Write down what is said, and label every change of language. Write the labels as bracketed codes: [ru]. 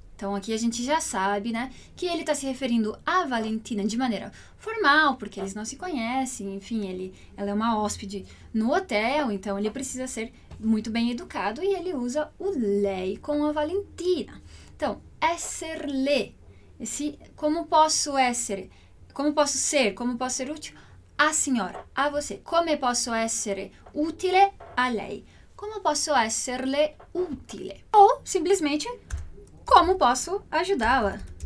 [pt] Então, aqui a gente já sabe, né, que ele está se referindo à Valentina de maneira formal, porque eles não se conhecem, enfim, ela é uma hóspede no hotel, então ele precisa ser muito bem educado e ele usa o lei com a Valentina. Então, esserle, esse como posso ser, como posso ser útil? A senhora, a você. [it] Come posso essere utile a lei? Como posso esserle utile? [pt] Ou, simplesmente, como posso ajudá-la?